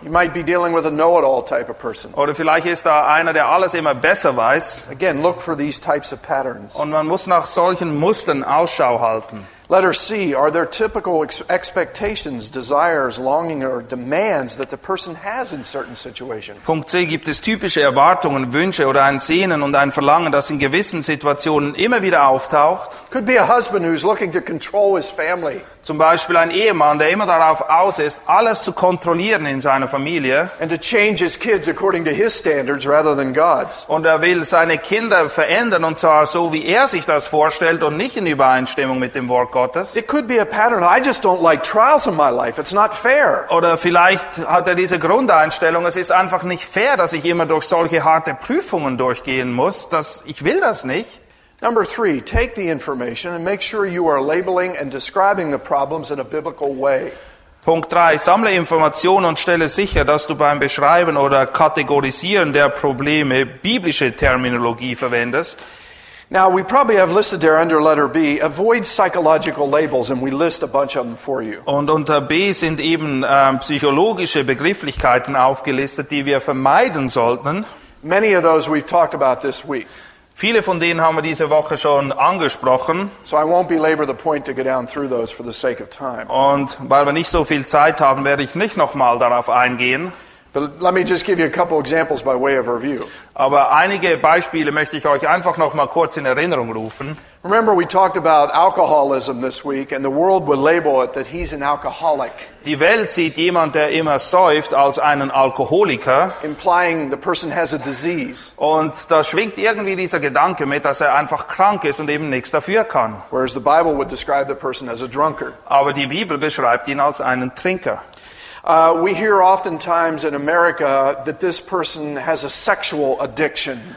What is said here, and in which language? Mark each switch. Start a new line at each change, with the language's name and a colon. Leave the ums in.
German: Oder vielleicht ist da einer, der alles immer besser weiß.
English: Again,
German: Und man muss nach solchen Mustern Ausschau halten.
English: Letter C Are there typical expectations, desires, longing, or demands that the person has in certain situations?
German: Punkt C Gibt es typische Erwartungen, Wünsche oder ein Sehnen und ein Verlangen, das in gewissen Situationen immer wieder auftaucht?
English: Could be a husband who's looking to control his family.
German: Zum Beispiel ein Ehemann, der immer darauf aus ist, alles zu kontrollieren in seiner Familie. Und er will seine Kinder verändern, und zwar so, wie er sich das vorstellt und nicht in Übereinstimmung mit dem Wort Gottes. Es könnte ein be sein. Ich
English: I just don't like trials in my life. It's not fair.
German: Oder vielleicht hat er diese Grundeinstellung. Es ist einfach nicht fair, dass ich immer durch solche harte Prüfungen durchgehen muss. ich will das nicht.
English: Number three, take the information and make sure you are labeling and describing the problems in a biblical way.
German: Punkt 3. Sammle Informationen und stelle sicher, dass du beim Beschreiben oder Kategorisieren der Probleme biblische Terminologie verwendest.
English: Now, we probably have listed there under letter B, avoid psychological labels, and we list a bunch of them for you.
German: Und B sind eben ähm, psychologische Begrifflichkeiten aufgelistet, die wir vermeiden sollten.
English: Many of those we've talked about this week.
German: Viele von denen haben wir diese Woche schon angesprochen.
English: So I won't belabor the point to go down through those for the sake of time.
German: Und weil wir nicht so viel Zeit haben, werde ich nicht nochmal darauf eingehen.
English: But let me just give you a couple of examples by way of review.
German: Aber einige Beispiele möchte ich euch einfach noch mal kurz in Erinnerung rufen.
English: Remember we talked about alcoholism this week and the world would label it that he's an alcoholic. The world sees someone who always drinks as an alcoholic, Implying the person has a disease.
German: Und da schwingt irgendwie dieser Gedanke mit dass er einfach krank ist und eben nichts dafür kann.
English: Whereas the Bible would describe the person as a drunkard.
German: Aber die Bibel beschreibt
English: him as a Trinker. Uh, we hear oftentimes in America that this person has a sexual addiction.